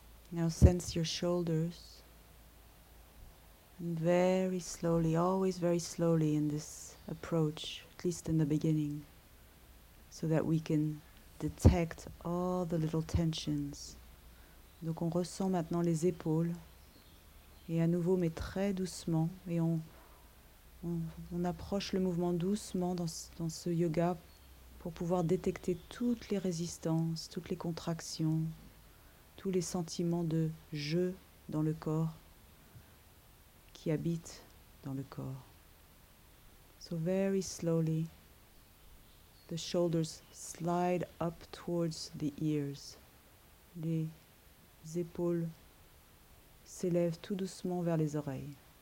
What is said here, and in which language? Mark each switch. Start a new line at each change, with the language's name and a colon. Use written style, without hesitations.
English: Now sense your shoulders. And very slowly, always very slowly in this approach, at least in the beginning, so that we can detect all the little tensions.
French: Donc on ressent maintenant les épaules, et à nouveau, mais très doucement, et on approche le mouvement doucement dans ce yoga pour pouvoir détecter toutes les résistances, toutes les contractions, tous les sentiments de « je » dans le corps, qui habitent dans le corps.
English: So very slowly, the shoulders slide up towards the ears.
French: Les épaules s'élèvent tout doucement vers les oreilles.